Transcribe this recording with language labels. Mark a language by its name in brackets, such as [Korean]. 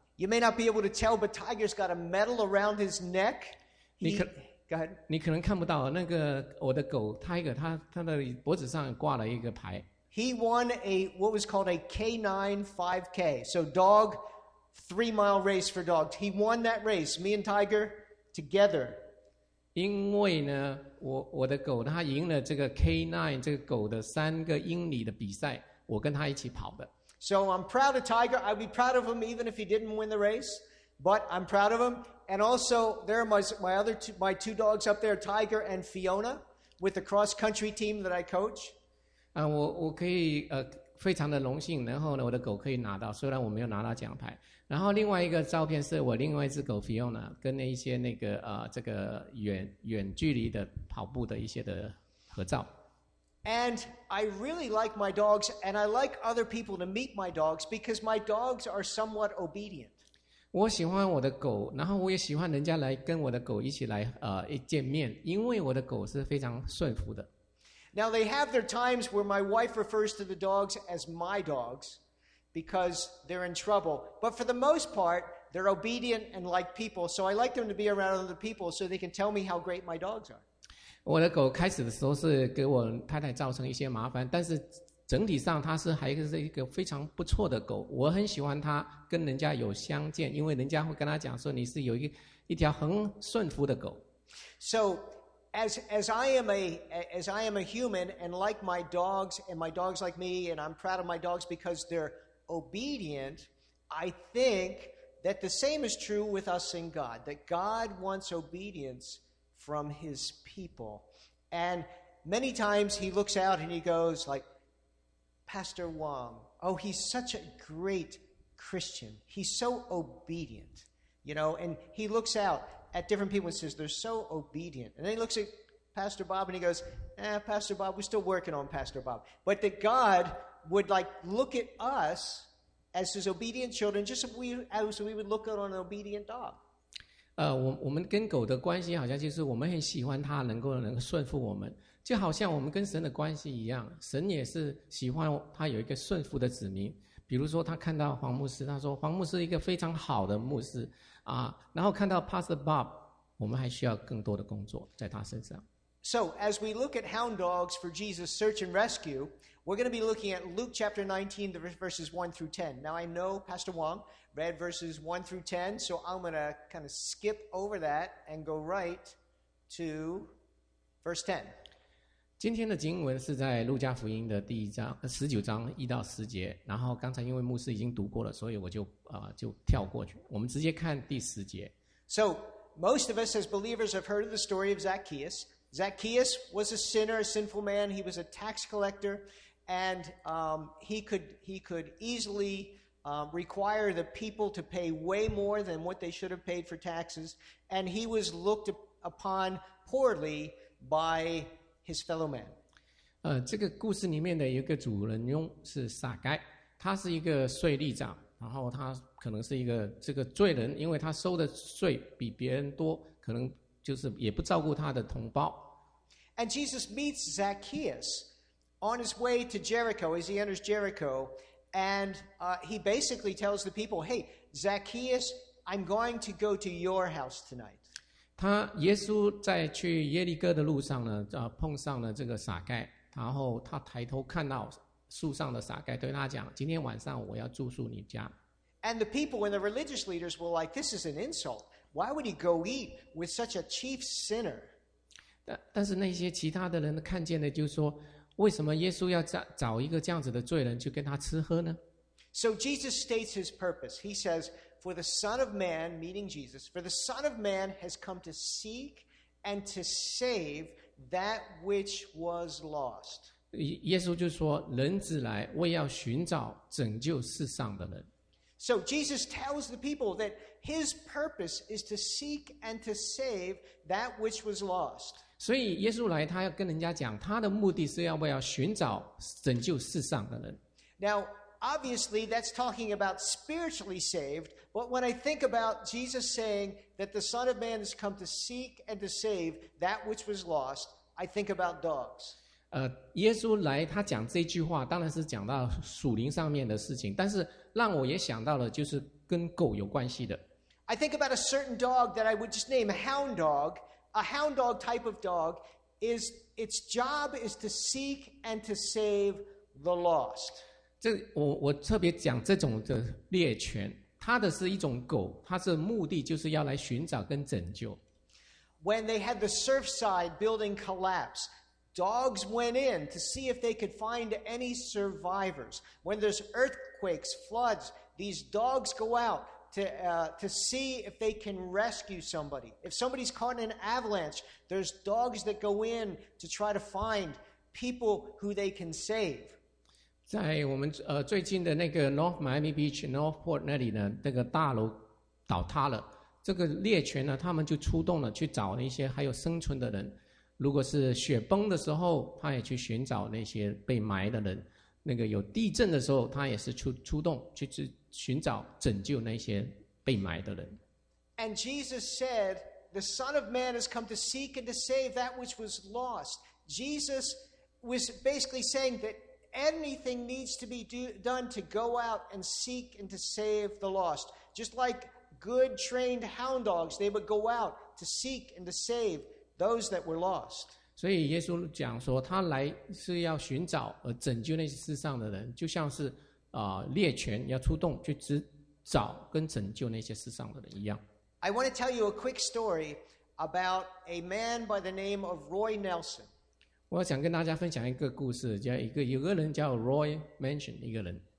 [English] You may not be able to tell, but Tiger's got a medal around his neck. Go ahead. [Chinese] 你可能看不到那个我的狗 Tiger, 他的脖子上挂了一个牌。 [English] He won what was called a K9 5K, so dog 3-mile race for dogs. He won that race, me and Tiger together. [Chinese] 因为呢 我的狗他赢了这个 K9 这个狗的3英里的比赛。我跟他一起跑的。 [English] So I'm proud of Tiger. I'd be proud of him even if he didn't win the race. But I'm proud of him. And also, there are my two dogs up there, Tiger and Fiona, with the cross-country team that I coach. [Chinese] 我可以非常的荣幸，然后呢，我的狗可以拿到，虽然我没有拿到奖牌。然后另外一个照片是我另外一只狗 Fiona 跟那一些那个这个远距离的跑步的一些的合照。 [English] And I really like my dogs, and I like other people to meet my dogs because my dogs are somewhat obedient. [Chinese] 我喜欢我的狗，然后我也喜欢人家来跟我的狗一起来一见面，因为我的狗是非常顺服的。 [English] Now they have their times where my wife refers to the dogs as my dogs, because they're in trouble. But for the most part, they're obedient and like people, so I like them to be around other people so they can tell me how great my dogs are. [Chinese] 我的狗开始的时候是给我太太造成一些麻烦，但是整体上它是还是一个非常不错的狗，我很喜欢它跟人家有相见，因为人家会跟他讲说你是有 一条很顺服的狗。 [English] So as I am a human and like my dogs and my dogs like me and I'm proud of my dogs because they're obedient, I think that the same is true with us in God, that God wants obedience from his people. And many times he looks out and he goes like,Pastor Wong, oh, he's such a great Christian. He's so obedient, you know, and he looks out at different people and says, they're so obedient. And then he looks at Pastor Bob and he goes, Pastor Bob, we're still working on Pastor Bob. But that God would like look at us as his obedient children, just as we would look out on an obedient dog. [Chinese] 我们跟狗的关系好像就是我们很喜欢它能够顺服我们，就好像我们跟神的关系一样，神也是喜欢他有一个顺服的子民。比如说他看到黄牧师，他说黄牧师一个非常好的牧师啊，然后看到 Pastor Bob， 我们还需要更多的工作在他身上。 [English] So as we look at hound dogs for Jesus search and rescue, we're going to be looking at Luke chapter 19 the verses 1 through 10. Now I know Pastor WongRead verses 1 through 10, so I'm going to kind of skip over that and go right to verse 10. [Chinese] 今天的经文是在路加福音的第一章19章1到10节，然后刚才因为牧师已经读过了，所以我就跳过去，我们直接看第10节。 [English] So most of us as believers have heard of the story of Zacchaeus. Zacchaeus was a sinner, a sinful man. He was a tax collector, and he could easilyrequire the people to pay way more than what they should have paid for taxes, and he was looked upon poorly by his fellow man. [Chinese] 这个故事里面的一个主人翁是撒该，他是一个税吏长，然后他可能是一个这个罪人，因为他收的税比别人多，可能就是也不照顾他的同胞。 [English] And Jesus meets Zacchaeus on his way to Jericho as he enters Jericho. And he basically tells the people, hey, Zacchaeus, I'm going to go to your house tonight. [Chinese] 他耶稣在去耶利哥的路上呢、碰上了这个撒该，然后他抬头看到树上的撒该，对他讲，今天晚上我要住宿你家。 [English] And the people and the religious leaders were like, this is an insult. Why would he go eat with such a chief sinner? [Chinese] 但是那些其他的人看见的就说，为什么耶稣要找一个这样子的罪人去跟他吃喝呢？ [English] So Jesus states his purpose. He says, for the Son of Man, meaning Jesus, for the Son of Man has come to seek and to save that which was lost. [Chinese] 耶稣就说，人子来，为要寻找拯救世上的人。 [English] So Jesus tells the people that his purpose is to seek and to save that which was lost. [Chinese] 所以耶稣来，他要跟人家讲，他的目的是要不要寻找拯救世上的人。 [English] Now, obviously, that's talking about spiritually saved. But when I think about Jesus saying that the Son of Man has come to seek and to save that which was lost, I think about dogs. [Chinese] 耶稣来，他讲这句话，当然是讲到属灵上面的事情。但是让我也想到了，就是跟狗有关系的。 [English] I think about a certain dog that I would just name hound dog. A hound dog type of dog is its job is to seek and to save the lost. [Chinese] 我特别讲这种的猎犬，它的是一种狗，它的目的就是要来寻找跟拯救。 [English] When they had the Surfside building collapse, dogs went in to see if they could find any survivors. When there's earthquakes, floods, these dogs go out. To see if they can rescue somebody. If somebody's caught in an avalanche, there's dogs that go in to try to find people who they can save. [Chinese] 在我们、最近的那个 North Miami Beach, Northport 那里呢，那个大楼倒塌了，这个猎犬呢，他们就出动了去找那些还有生存的人。如果是雪崩的时候，他也去寻找那些被埋的人。那个有地震的时候，他也是 出动去寻找拯救那些被埋的人。 [English] And Jesus said, the Son of Man has come to seek and to save that which was lost. Jesus was basically saying that anything needs to be done to go out and seek and to save the lost. Just like good trained hound dogs, they would go out to seek and to save those that were lost. [Chinese] 所以耶稣讲说他来是要寻找而拯救那些世上的人，就像是猎犬要出动去找跟拯救那些世上的人一样。 [English] I want to tell you a quick story about a man by the name of Roy Nelson. [Chinese] 我想跟大家分享一个故事，叫一个有个人叫 Roy Mansion 一个人。